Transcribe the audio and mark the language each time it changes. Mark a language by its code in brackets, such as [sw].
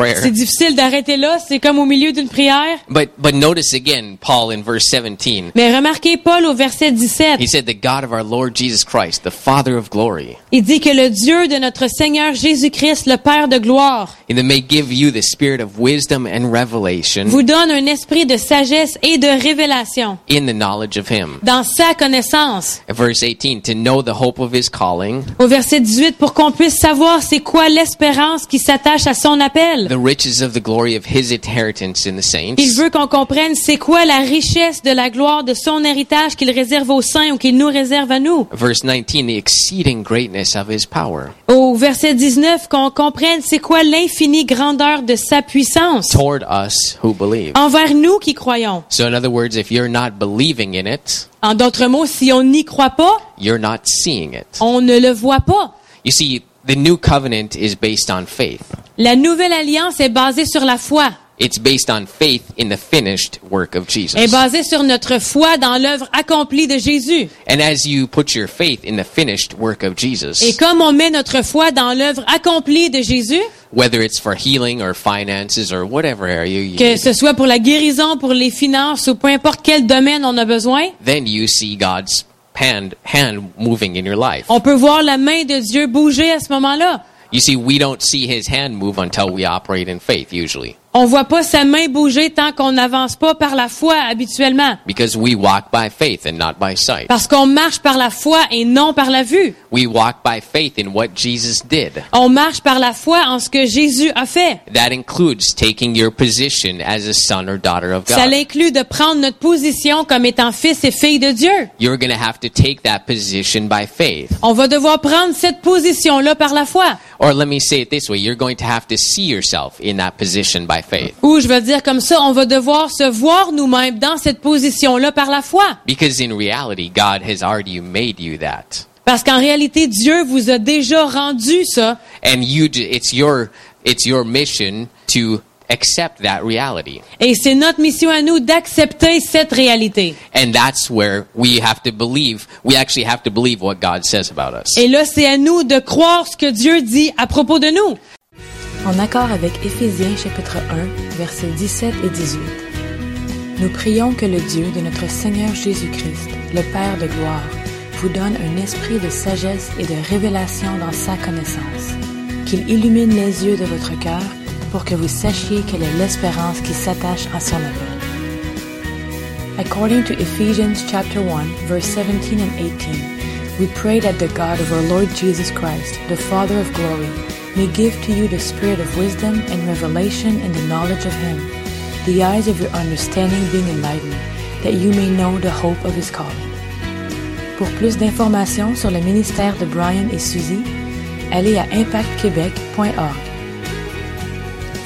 [fr] difficile d'arrêter là, c'est comme au milieu d'une prière. [en] But notice again, Paul in verse 17. [fr] Mais remarquez Paul au verset 17. [en] He said, the God of our Lord Jesus Christ, the Father of glory. [fr] Il dit que le Dieu de notre Seigneur Jésus-Christ, le Père de gloire. [en] And that may give you the spirit of wisdom and revelation. [fr] Vous donne un esprit de sagesse et de révélation. [en] In the knowledge of Him. [fr] Dans sa connaissance. [en] Verse 18, to know the hope of His calling. [fr] Au verset 18, pour qu'on puisse savoir c'est quoi l'espérance qui s'attache à son appel. [en] The riches of the glory of his inheritance in the saints. [fr] Il veut qu'on comprenne c'est quoi la richesse de la gloire de son héritage qu'il réserve aux saints ou qu'il nous réserve à nous. [en] Verse 19, the exceeding greatness of his power. [fr] Au verset 19, qu'on comprenne c'est quoi l'infinie grandeur de sa puissance. [en] Toward us who believe. [fr] Envers nous qui croyons. [en] So in other words, if you're not believing in it, [fr] en d'autres mots, si on n'y croit pas, [en] you're not seeing it. [fr] On ne le voit pas. [en] You see, the new covenant is based on faith. [fr] La nouvelle alliance est basée sur la foi. [en] It's based on faith in the finished work of Jesus. [fr] Est basée sur notre foi dans l'œuvre accomplie de Jésus. [en] And as you put your faith in the finished work of Jesus. [fr] Et comme on met notre foi dans l'œuvre accomplie de Jésus. [en] Whether it's for healing or finances or whatever area you [fr] que [en] need. [fr] Que ce soit pour la guérison, pour les finances ou peu importe quel domaine on a besoin. [en] Then you see God's hand moving in your life. [fr] On peut voir la main de Dieu bouger à ce moment-là. [en] You see, we don't see his hand move until we operate in faith, usually. [fr] On voit pas sa main bouger tant qu'on n'avance pas par la foi habituellement. [en] Because we walk by faith and not by sight. [fr] Parce qu'on marche par la foi et non par la vue. [en] We walk by faith in what Jesus did. [fr] On marche par la foi en ce que Jésus a fait. [en] That includes taking your position as a son or daughter of God. [fr] Ça inclut de prendre notre position comme étant fils et fille de Dieu. [en] You're going to have to take that position by faith. [fr] On va devoir prendre cette position là par la foi. [en] Or let me say it this way, you're going to have to see yourself in that position by faith. [fr] Ou je veux dire comme ça, on va devoir se voir nous-mêmes dans cette position-là par la foi. [en] Because in reality, God has already made you that. [fr] Parce qu'en réalité, Dieu vous a déjà rendu ça. [en] And it's your mission to accept that reality. [fr] Et c'est notre mission à nous d'accepter cette réalité. [en] And that's where we have to believe. We actually have to believe what God says about us. [fr] Et là, c'est à nous de croire ce que Dieu dit à propos de nous. En accord avec Éphésiens chapitre 1, versets 17 et 18, nous prions que le Dieu de notre Seigneur Jésus-Christ, le Père de gloire, vous donne un esprit de sagesse et de révélation dans sa connaissance, qu'il illumine les yeux de votre cœur pour que vous sachiez quelle est l'espérance qui s'attache à son appel. [en] According to Ephesians chapter 1, verse 17 and 18, we pray that the God of our Lord Jesus Christ, the Father of glory, may give to you the spirit of wisdom and revelation in the knowledge of Him, the eyes of your understanding being enlightened, that you may know the hope of His calling. [fr] Pour plus d'informations sur le ministère de Brian et Suzy, allez à impactquebec.org.